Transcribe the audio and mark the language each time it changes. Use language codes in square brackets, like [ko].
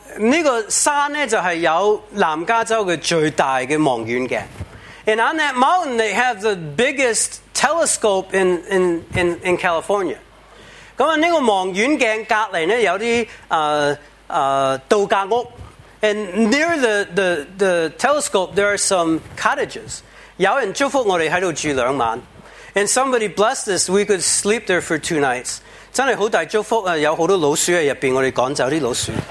[zh] 这个山呢，就是有南加州的最大的望远镜。 [en] And on that mountain, they have the biggest telescope in California. [zh] 这个望远镜隔离呢，有些度假屋。 [en] And near the telescope, there are some cottages. [zh] 有人祝福我们在这里住两晚。 [en] And somebody blessed us, we could sleep there for 2 nights. [zh] 真的很大祝福，有很多老鼠在里面，我们赶走老鼠。